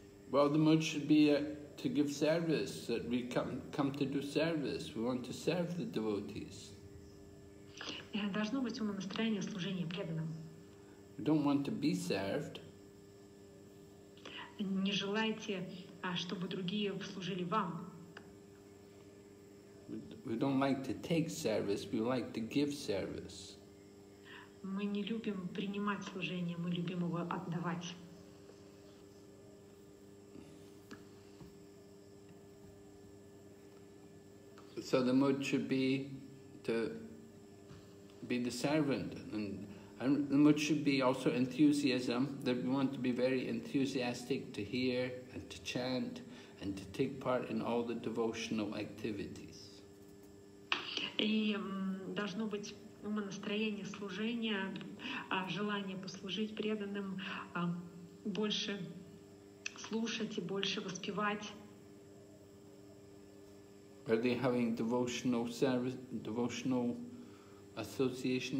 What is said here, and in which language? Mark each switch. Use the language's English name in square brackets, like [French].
[English] Well, the mood should be to give service, that we come to do service. We want to serve the devotees. [Russian] Должно быть ума настроение служения преданным. [English] We don't want to be served. [Russian] Не желаете, чтобы другие служили вам. [English] We don't like to take service, we like to give service. [Russian] Мы не любим принимать служение, мы любим его отдавать. [English] So the mood should be to be the servant, and the mood should be also enthusiasm, that we want to be very enthusiastic to hear and to chant and to take part in all the devotional activities. [Russian] И должно быть ума настроение служения, желание послужить преданным, больше слушать и больше воспевать. [English] Are they having devotional service, devotional association?